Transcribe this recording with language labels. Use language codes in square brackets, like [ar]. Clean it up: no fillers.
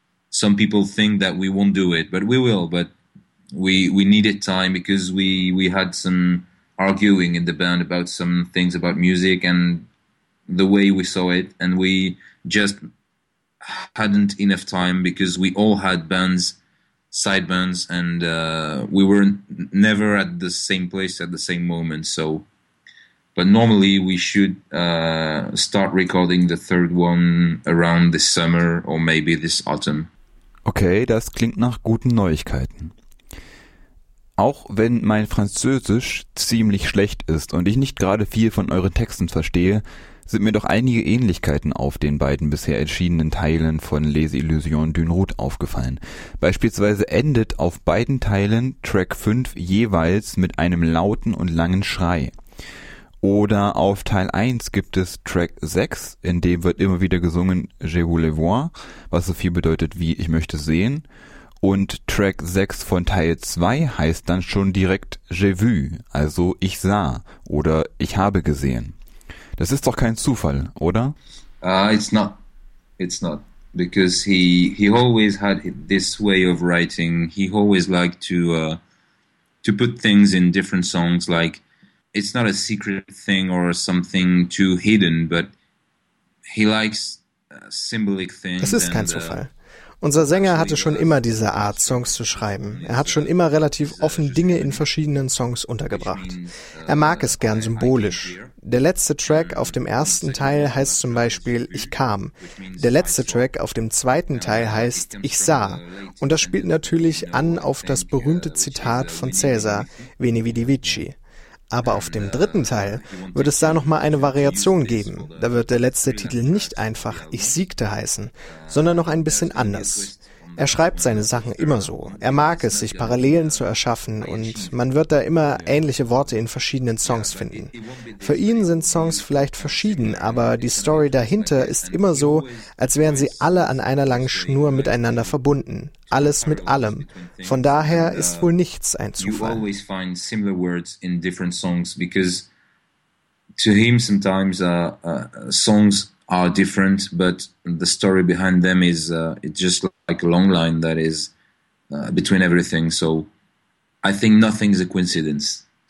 [en] Some people think that we won't do it, but we will, but we needed time because we had some arguing in the band about some things about music and the way we saw it, and we just hadn't enough time because we all had bands, side bands, and we were never at the same place at the same moment. So, but normally we should start recording the third one around this summer or maybe this autumn. [de] Okay, das klingt nach guten Neuigkeiten. Auch wenn mein Französisch ziemlich schlecht ist und ich nicht gerade viel von euren Texten verstehe, sind mir doch einige Ähnlichkeiten auf den beiden bisher erschienenen Teilen von Les Illusions d'une Route aufgefallen. Beispielsweise endet auf beiden Teilen Track 5 jeweils mit einem lauten und langen Schrei. Oder auf Teil 1 gibt es Track 6, in dem wird immer wieder gesungen Je voulais voir, was so viel bedeutet wie Ich möchte sehen. Und Track 6 von Teil 2 heißt dann schon direkt J'ai vu, also Ich sah oder Ich habe gesehen. Das ist doch kein Zufall, oder? [en] It's not. Because he always had this way of writing. He always liked to put things in different songs, like it's not a secret thing or something too hidden, but he likes symbolic things. [de] Es ist kein Zufall. Unser Sänger hatte schon immer diese Art, Songs zu schreiben. Er hat schon immer relativ offen Dinge in verschiedenen Songs untergebracht. Er mag es gern symbolisch. Der letzte Track auf dem ersten Teil heißt zum Beispiel Ich kam. Der letzte Track auf dem zweiten Teil heißt Ich sah. Und das spielt natürlich an auf das berühmte Zitat von Cäsar, [la] Veni, Vidi, Vici. [de] Aber auf dem dritten Teil wird es da nochmal eine Variation geben. Da wird der letzte Titel nicht einfach Ich siegte heißen, sondern noch ein bisschen anders. Er schreibt seine Sachen immer so. Er mag es, sich Parallelen zu erschaffen und man wird da immer ähnliche Worte in verschiedenen Songs finden. Für ihn sind Songs vielleicht verschieden, aber die Story dahinter ist immer so, als wären sie alle an einer langen Schnur miteinander verbunden. Alles mit allem. Von daher ist wohl nichts ein Zufall. [en] You always find similar words in different songs because to him sometimes songs are different, but the story behind them is it's just like a long line that is between everything. So I think nothing is a coincidence.